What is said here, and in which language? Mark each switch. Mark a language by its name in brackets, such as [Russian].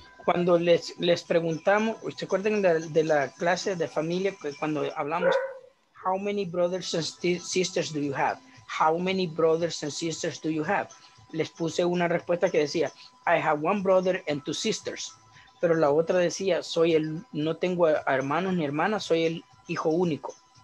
[Spanish] Cuando les preguntamos, ¿se acuerdan de la clase de familia? Cuando hablamos, [English] how many brothers and sisters do you have? How many brothers and sisters do you have? [Spanish] Les puse una respuesta que decía, [English] I have one brother and two sisters. [Spanish] Pero la otra decía, no tengo hermanos ni hermanas, soy el hijo único.